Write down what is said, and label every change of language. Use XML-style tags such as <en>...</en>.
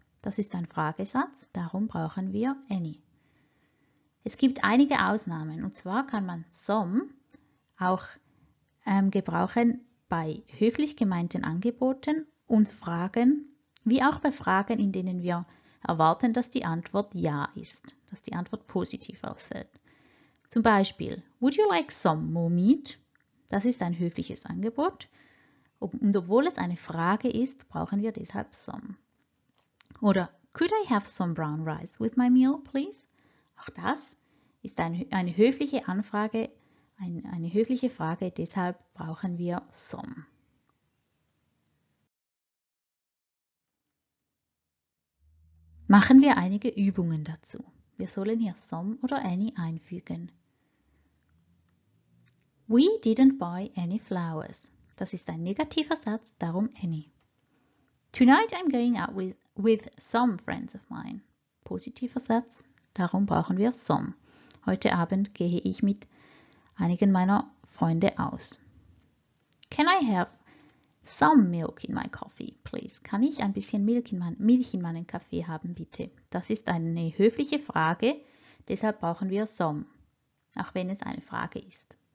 <de>Das ist ein Fragesatz, darum brauchen wir any. Es gibt einige Ausnahmen, und zwar kann man some auch gebrauchen bei höflich gemeinten Angeboten und Fragen, wie auch bei Fragen, in denen wir erwarten, dass die Antwort ja ist, dass die Antwort positiv ausfällt. Zum Beispiel,</de> <en>would you like some more meat?</en> <de>Das ist ein höfliches Angebot. Und obwohl es eine Frage ist, brauchen wir deshalb some.</de> <en>Oder could I have some brown rice with my meal, please?</en> <de>Auch das ist eine höfliche Anfrage, eine höfliche Frage, deshalb brauchen wir some. Machen wir einige Übungen dazu. Wir sollen hier some oder any einfügen.</de> <en>We didn't buy any flowers.</en> <de>Das ist ein negativer Satz, darum any.</de> <en>Tonight I'm going out with some friends of mine.</en> <de>Positiver Satz, darum brauchen wir some. Heute Abend gehe ich mit einigen meiner Freunde aus.</de> <en>Can I have some milk in my coffee, please?</en> <de>Kann ich ein bisschen Milch in meinen Kaffee haben, bitte? Das ist eine höfliche Frage, deshalb brauchen wir some, auch wenn es eine Frage ist.</de>